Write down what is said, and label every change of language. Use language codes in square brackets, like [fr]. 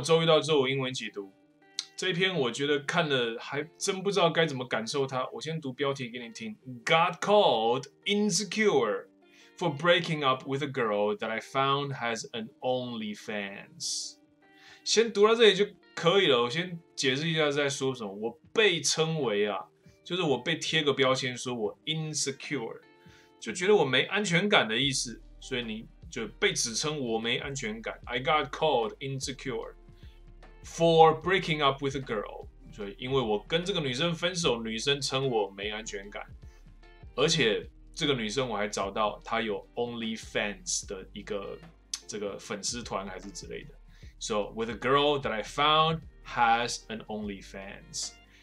[zh] 周一到周五英文解读这一篇，我觉得看了还真不知道该怎么感受它。我先读标题给你听 [en] ：Got called insecure for breaking up with a girl that I found has an OnlyFans。 [zh] 先读到这里就可以了。我先解释一下在说什么。我被称为啊，就是我被贴个标签，说我 insecure， 就觉得我没安全感的意思。所以你就被指称我没安全感。 [en] I got called insecure for breaking up with a girl。 [zh] 所以因为我跟这个女生分手，女生称我没安全感，而且这个女生我还找到她有 OnlyFans 的一个这个粉丝团还是之类的。 [en] So with a girl that I found has an OnlyFans。